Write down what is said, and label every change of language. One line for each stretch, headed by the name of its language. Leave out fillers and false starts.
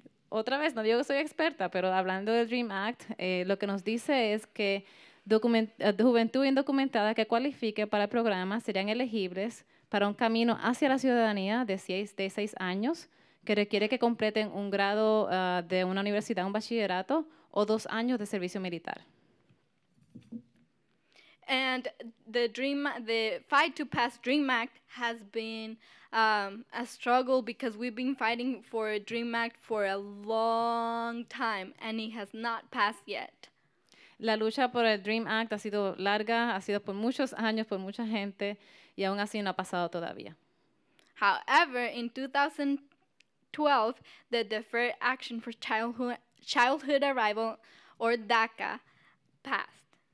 Spanish: Otra vez, no digo que soy experta, pero hablando del Dream Act, lo que nos dice es que juventud indocumentada que cualifique para el programa serían elegibles para un camino hacia la ciudadanía de seis años, que requiere que completen un grado de una universidad, un bachillerato, o 2 años de servicio militar.
English: And the fight to pass Dream Act has been a struggle because we've been fighting for a Dream Act for a long time and it has not passed yet.
Spanish: La lucha por el Dream Act ha sido larga, ha sido por muchos años, por mucha gente, y aún así no ha pasado todavía.
English: However, in 2012, the Deferred Action for Childhood Arrival, or DACA, passed.